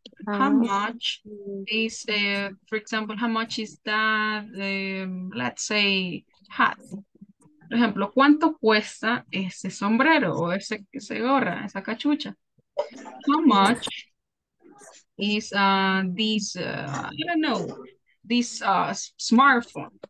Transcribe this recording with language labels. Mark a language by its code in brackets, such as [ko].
[en] How much is, for example, how much is that, let's say, hat? [es] Por ejemplo, ¿cuánto cuesta ese sombrero o ese gorra, esa cachucha? [en] How much is this, I don't know, this smartphone?